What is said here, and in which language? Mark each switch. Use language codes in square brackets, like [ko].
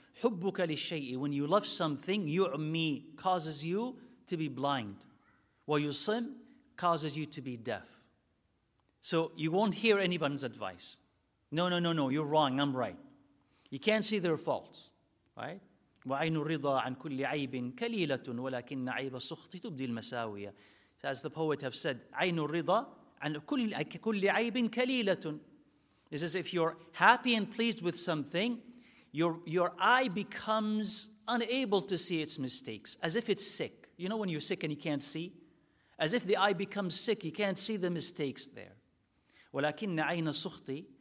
[ar] حُبُّكَ لِلشَّيْءِ, [en] when you love something, [ar] يُعْمِي, [en] causes you to be blind. [ar] وَيُصِمْ, [en] causes you to be deaf. So you won't hear anyone's advice. No, you're wrong, I'm right. You can't see their faults, right? [ar] وَعَيْنُ الرِّضَى عَنْ كُلِّ عَيْبٍ كَلِيلَةٌ وَلَكِنَّ عَيْبَ السُّخْطِ تُبْدِي الْمَسَاوِيَ. [en] As the poet have said, [ar] عَيْنُ الرِّضَى عَنْ كُلِّ عَيْبٍ كَلِيلَةٌ. [en] It's as if you're happy and pleased with something, your eye becomes unable to see its mistakes, as if it's sick. You know when you're sick and you can't see? As if the eye becomes sick, you can't see the mistakes there. [ar] وَلَكِنَّ عَيْنَ سُخْطِي.